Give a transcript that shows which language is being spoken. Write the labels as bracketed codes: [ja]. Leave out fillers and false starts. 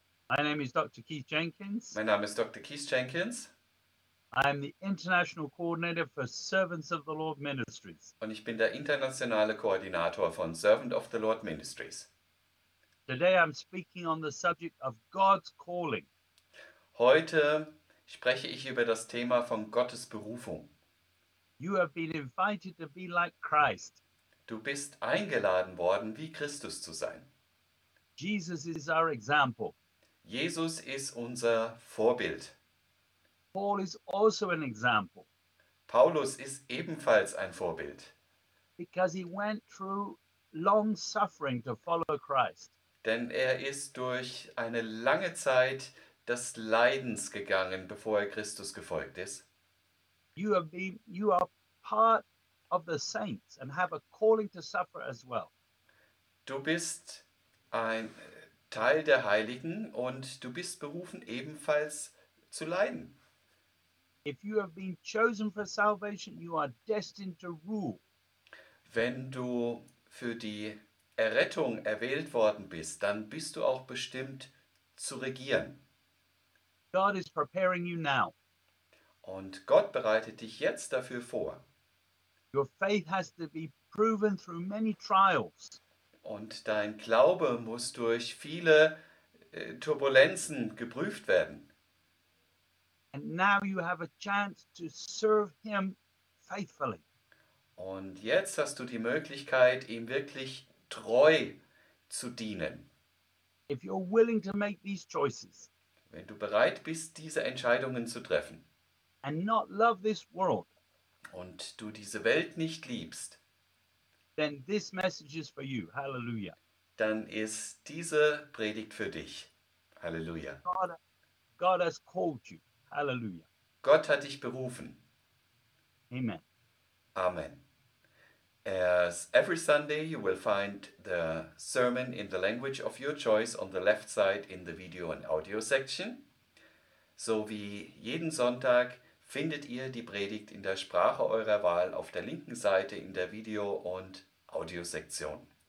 [en] My name is Dr. Keith Jenkins. [de] Mein Name ist Dr. Keith Jenkins. [en] I am the International Coordinator for Servants of the Lord Ministries. [de] Und ich bin der internationale Koordinator von Servant of the Lord Ministries. [en] Today I'm speaking on the subject of God's calling. [de] Heute spreche ich über das Thema von Gottes Berufung. [en] You have been invited to be like Christ. [de] Du bist eingeladen worden, wie Christus zu sein. [en] Jesus is our example. [de] Jesus ist unser Vorbild. [en] Paul is also an example. [de] Paulus ist ebenfalls ein Vorbild. [en] Because he went through long suffering to follow Christ. [de] Denn er ist durch eine lange Zeit des Leidens gegangen, bevor er Christus gefolgt ist. [en] You are part of the saints and have a calling to suffer as well. [de] Du bist ein Teil der Heiligen und du bist berufen ebenfalls zu leiden. [en] If you have been chosen for salvation, you are destined to rule. [de] Wenn du für die Errettung erwählt worden bist, dann bist du auch bestimmt zu regieren. [en] God is preparing you now. [de] Und Gott bereitet dich jetzt dafür vor. [en] Your faith has to be proven through many trials. [de] Und dein Glaube muss durch viele Turbulenzen geprüft werden. [en] And now you have a chance to serve him faithfully. [de] Und jetzt hast du die Möglichkeit, ihm wirklich treu zu dienen. [en] If you're willing to make these choices. [de] Wenn du bereit bist, diese Entscheidungen zu treffen. [en] And not love this world. [de] Und du diese Welt nicht liebst. [en] Then this message is for you. Hallelujah. [de] Dann ist diese Predigt für dich. Hallelujah. [en] God has called you. Hallelujah. [de] Gott hat dich berufen. Amen. Amen. [en] As every Sunday you will find the sermon in the language of your choice on the left side in the video and audio section. [de] So wie jeden Sonntag findet ihr die Predigt in der Sprache eurer Wahl auf der linken Seite in der Video- und Audiosektion.